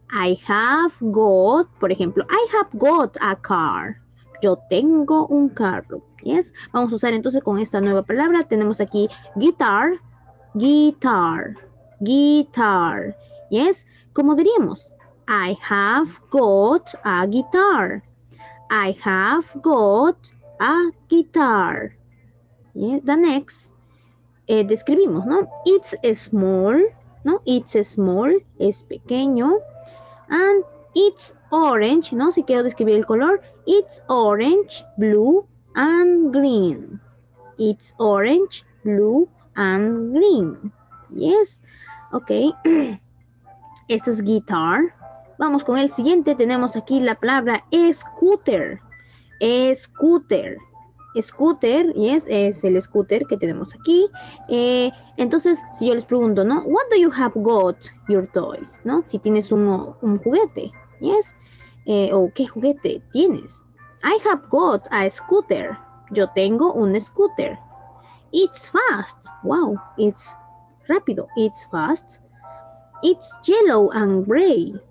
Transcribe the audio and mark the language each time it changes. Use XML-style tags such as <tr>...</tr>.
<en>I have got,</en> <es>por ejemplo,</es> <en>I have got a car.</en> <es>Yo tengo un carro. Yes, vamos a usar entonces con esta nueva palabra: tenemos aquí guitar.</es> <en>Guitar, guitar, yes,</en> <es>¿cómo diríamos?</es> <en>I have got a guitar, I have got a guitar, yes. The next,</en> <es>describimos, ¿no?</es> <en>It's small, ¿no? It's small,</en> <es>es pequeño,</es> <en>and it's orange, ¿no?</en> <es>Si quiero describir el color,</es> <en>it's orange, blue, and green, it's orange, blue, and green.</en> <es>Yes. Ok. Esta es guitar. Vamos con el siguiente. Tenemos aquí la palabra scooter. Scooter. Scooter. Yes. Es el scooter que tenemos aquí. Entonces, si yo les pregunto, ¿no?</es> <en>What do you have got your toys?</en> <es>¿No? Si tienes un juguete. Yes. ¿Qué juguete tienes?</es> <en>I have got a scooter.</en> <es>Yo tengo un scooter.</es> <en>It's fast. Wow, it's rápido. It's fast. It's yellow and gray.</en>